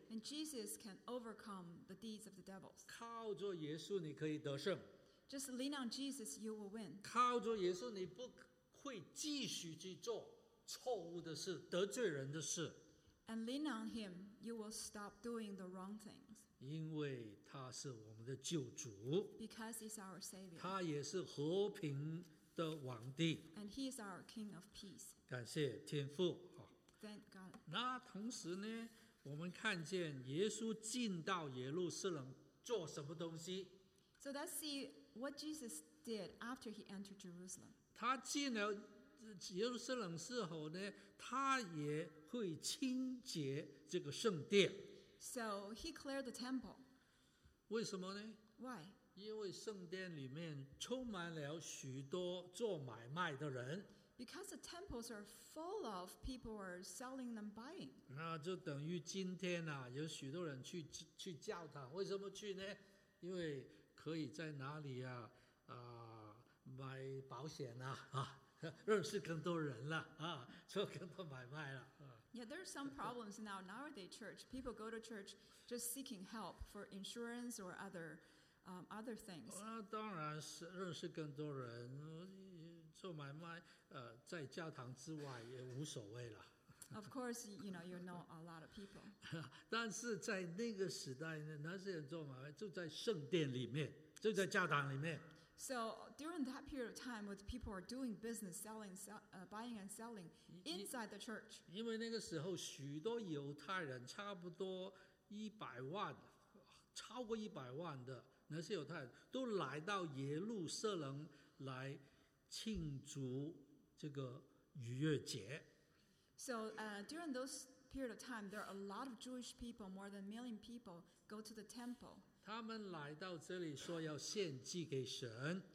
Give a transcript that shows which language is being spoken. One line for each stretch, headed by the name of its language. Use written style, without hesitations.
English: And Jesus can overcome the deeds of the devils.
Chinese: 靠着耶稣你可以得胜。
English: Just lean on Jesus, you will win.
Chinese: 靠着耶稣你不会继续去做错误的事、得罪人的事。
English: And lean on him, you will stop doing the wrong things.
Chinese: 因为他是我们的救主。
English: Because he's our savior.
Chinese: 他也是和平的王帝。
English: And he is our king of peace.
Chinese: 感谢天父。
English: Thank God.
Chinese: 那同时呢，我们看见耶稣进到耶路撒冷做什么东西。
English: So let's see what Jesus did after he entered Jerusalem.
Chinese: 他进了耶路撒冷之后呢，他也会清洁这个圣殿。
English: So he cleared the temple.
Chinese: 为什么呢？
English: Why?
Chinese: 因为圣殿里面充满了许多做买卖的人。
English: Because the temples are full of people who are selling and buying.
Chinese: 那就等于今天啊，有许多人去教堂，为什么去呢？因为可以在哪里啊，买保险啊，认识更多人了啊，做更多买卖了。
English: Yeah, there are some problems now nowadays church. People go to church just seeking help for insurance or other things.
Chinese: 当然是认识更多人，做买卖，在教堂之外也无所谓了。
English: Of course, you know, you know a lot of people.
Chinese: 但是在那个时代呢，那些人做买卖就在圣殿里面，就在教堂里面。
English: So during that period of time, when people are doing business, selling, buying and selling inside the church.
Chinese: 因为那个时候许多犹太人，差不多一百万，超过一百万的那些犹太人都来到耶路撒冷来庆祝这个逾越节。
English: So during those period of time, there are a lot of Jewish people, more than a million people, go to the temple.
Chinese: 他们来到这里说要献祭给神。